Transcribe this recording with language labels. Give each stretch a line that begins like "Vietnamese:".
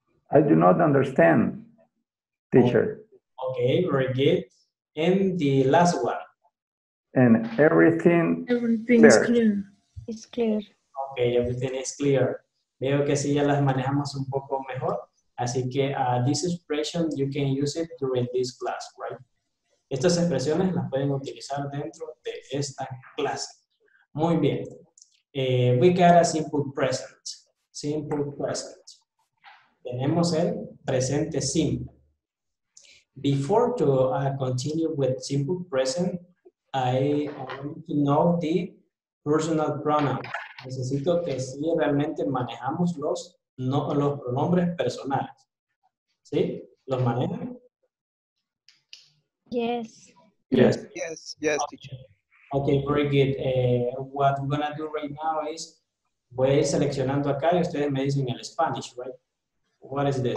English: I do not understand, teacher. Okay, very good. And the last one. And everything. Everything clear. Is clear. It's clear. Okay, everything is clear.
Spanish: Veo que sí ya las manejamos un poco mejor. Así que
English: this expression you can use it during this class, right?
Spanish: Estas expresiones las pueden utilizar dentro de esta clase. Muy bien.
English: We got a simple present. Simple present.
Spanish: Tenemos el presente simple.
English: Before to continue with simple present, I want to know the personal pronoun.
Spanish: Necesito que sí realmente manejamos los, no, los pronombres personales. ¿Sí? ¿Los manejan?
English: Yes. Yes. Yes, yes, teacher. Okay, very good. What we're going to do right now is,
Spanish: voy a ir seleccionando acá y ustedes me dicen el
English: Spanish, right? What is this?